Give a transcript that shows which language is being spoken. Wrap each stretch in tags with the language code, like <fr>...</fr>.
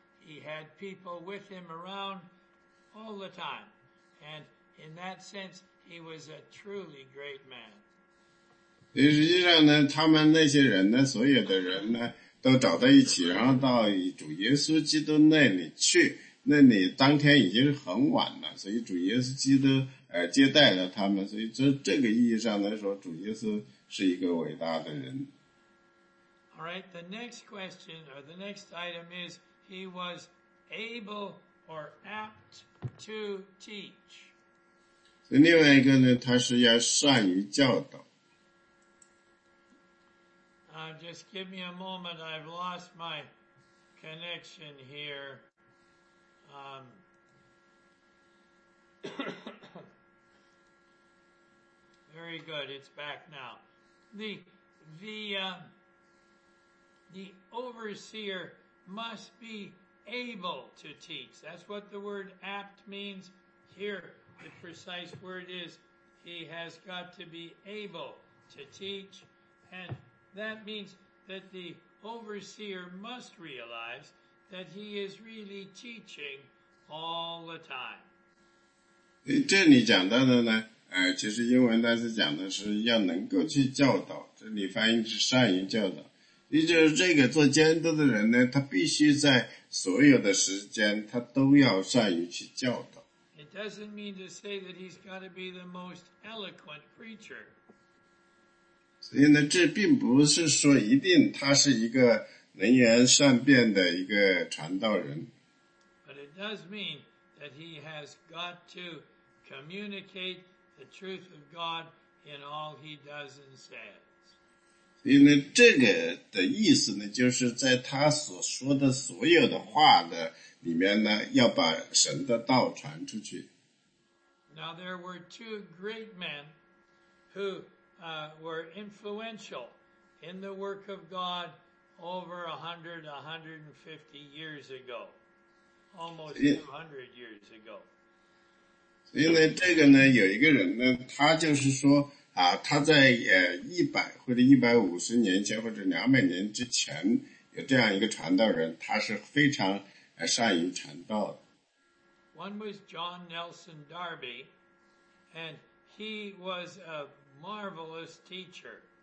<en>He had people with him around all the time. And in that sense, he was a truly great man.</en> <zh>所以实际上呢，他们那些人呢，所有的人呢，都找到一起，然后到主耶稣基督那里去，那你当天已经是很晚了，所以主耶稣基督接待了他们，所以这个意义上来说，主耶稣是一个伟大的人。</zh> <en>All right, the next question or the next item is he was able or apt to teach.</en> <zh>所以另外一个呢，他是要善于教导。</zh> <en>Just give me a moment. I've lost my connection here. very good. It's back now. The overseer must be able to teach. That's what the word apt means. Here, the precise word is he has got to be able to teach. And that means that the overseer must realize that he is really teaching all the time.</en> <zh>这里讲到的呢其实英文单词讲的是要能够去教导，这里翻译是善于教导。也就是这个做监督的人呢，他必须在所有的时间他都要善于去教导。</zh> <en>It doesn't mean to say that he's got to be the most eloquent preacher.</en> <zh>所以呢，这并不是说一定他是一个能言善辩的一个传道人。</zh> <en>But it does mean that he has got to communicate the truth of God in all he does and says.</en> <zh>所以呢，这个的意思呢，就是在他所说的所有的话的里面呢，要把神的道传出去。</zh> <en>Now there were two great men who were influential in the work of God over 150 years ago, almost 200 years ago.</en> <zh>所以呢，这个呢，有一个人呢，他就是说。啊，他在100或者150年前或者200年之前有这样一个传道人，他是非常善于传道的。</zh> <en>One was John Nelson Darby, and he was a marvelous teacher.</en>